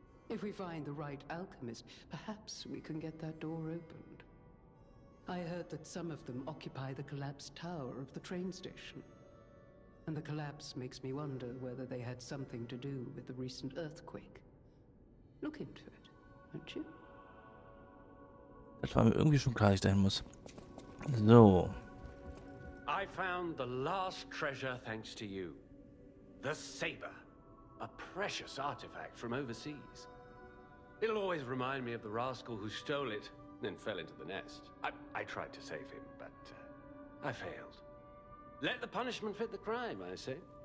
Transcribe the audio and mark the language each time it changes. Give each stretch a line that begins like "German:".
English: If we find the right alchemist, perhaps we can get that door opened. I heard that some of them occupy the collapsed tower of the train station. And the collapse makes me wonder whether they had something to do with the recent earthquake. Look into it, won't you?
German: Das war mir irgendwie schon klar, ich dahin muss. So.
English: I found the last treasure thanks to you. The Saber. A precious artifact from overseas. It'll always remind me of the rascal who stole it, then fell into the nest. I tried to save him, but I failed. Let the punishment fit the crime, I say.